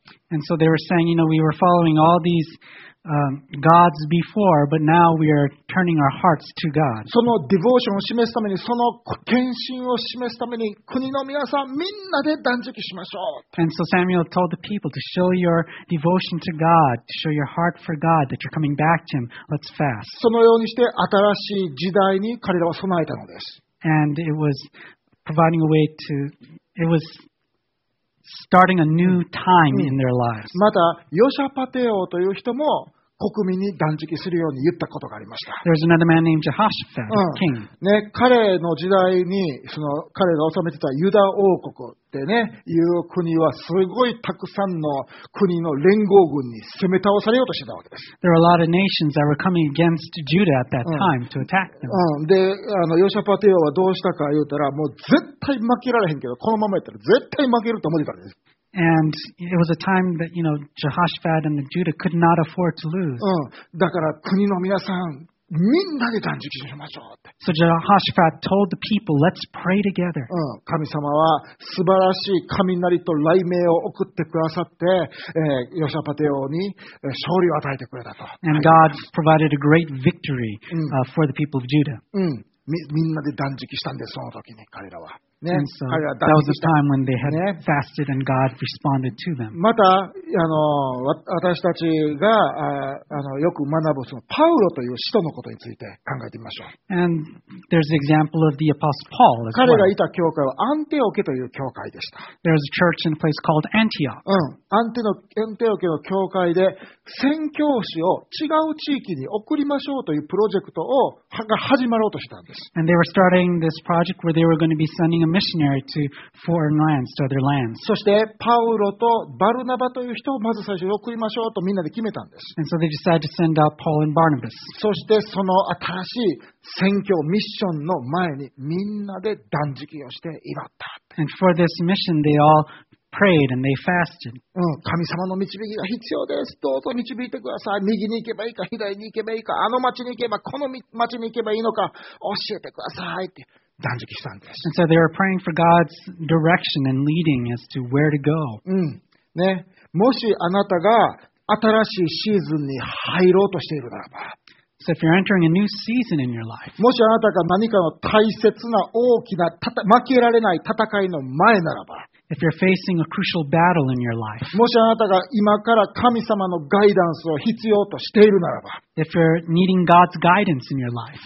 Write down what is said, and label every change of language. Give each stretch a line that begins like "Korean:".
English: And so they were saying, you know, we were following all these, gods before, but now we are turning our hearts to God.
Japanese: そのディボーションを示すために、その献身を示すために、国の皆さんみんなで断食しましょう。
English: And so Samuel told the people to show your devotion to God, to show your heart for God, that you're coming back to Him. Let's fast.
Japanese: そのようにして新しい時代に彼らは備えたのです。
English: And it was providing a way to It was starting a new time in their lives.
Japanese: また、ヨシャパテ王という人も国民に断食するように言ったことがありました。
English: There's another man named Jehoshaphat, king.
Japanese: ね、彼の時代にその彼が治めてたユダ王国ってね、いう国はすごいたくさんの国の連合軍に攻め倒されようとしてたわけです。
English: There were a lot of nations that were coming against Judah at that time to attack them.
Japanese: で、ヨシャパテ王はどうしたか言うたら、もう絶対負けられへんけど、このままやったら絶対負けると思ってたんです。
English: And it was a time that, you know, Jehoshaphat and the Judah could not afford to lose.
Japanese: だから国の皆さん、みんなで断食しましょうって。
English: So Jehoshaphat told the people, let's pray together.
Japanese: 神様は素晴らしい雷と雷鳴を送ってくださって、ヨシャパテ王に勝利を与えてくれたと。
English: And God provided a great victory, for the people of Judah.
Japanese: みんなで断食したんです、その時に彼らは。ね、
English: and so that was the time when they had fasted and God responded to them.
Japanese: また、私たちが、よく学ぶそのパウロという使徒のことについて考えてみましょう。
English: And there's the example of the apostle Paul as well.
Japanese: 彼がいた教会はアンテオケという教会でした。
English: There was a church in a place called Antioch.
Japanese: アンテオケの教会で宣教師を違う地域に送りましょうというプロジェクトをが始まろうとしたんです。
English: And they were starting this project where they were going to be sending A missionary to foreign lands, to other lands.
Japanese: そしてパウロとバルナバという人をまず最初に送りましょうとみんなで決めたんです。
English: And so they decided to send out Paul and Barnabas.
Japanese: そしてその新しい宣教ミッションの前にみんなで断食をして祈った。
English: And for this mission, they all prayed and they fasted.
Japanese: 神様の導きが必要です。どうぞ導いてください。右に行けばいいか、左に行けばいいか、あの町に行けばこの町に行けばいいのか教えてくださいって。
English: And so they were praying for God's direction and leading as to where to go.
Japanese: ね、もしあなたが新しいシーズンに入ろうとしているならば、
English: So、if you're entering a new season in your life,
Japanese: もしあなたが何かの大切な大きな負けられない戦いの前ならば、
English: If you're facing a crucial battle in your life,
Japanese: もしあなたが今から神様のガイダンスを必要としているならば、
English: If you're needing God's guidance in your life,